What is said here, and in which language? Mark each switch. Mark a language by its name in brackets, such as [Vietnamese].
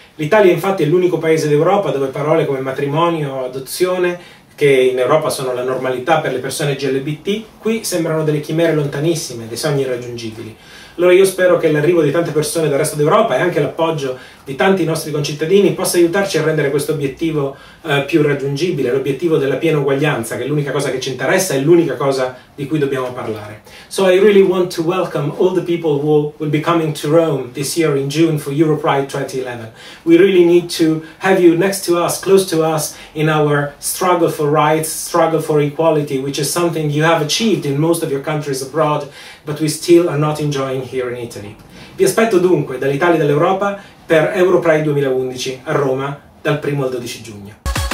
[Italian] L'Italia infatti è l'unico paese d'Europa dove parole come matrimonio o adozione, che in Europa sono la normalità per le persone GLBT, qui sembrano delle chimere lontanissime, dei sogni irraggiungibili. Allora io spero che l'arrivo di tante persone dal resto d'Europa e anche l'appoggio di tanti nostri concittadini possa aiutarci a rendere questo obiettivo più raggiungibile, l'obiettivo della piena uguaglianza, che è l'unica cosa che ci interessa e l'unica cosa di cui dobbiamo parlare. [English] So I really want to welcome all the people who will be coming to Rome this year in June for Europride 2011. We really need to have you next to us, close to us, in our struggle for rights, struggle for equality, which is something you have achieved in most of your countries abroad, but we still are not enjoying here in Italy. [Italian] Vi aspetto dunque dall'Italia e dall'Europa per Europride 2011 a Roma dal 1 al 12 giugno.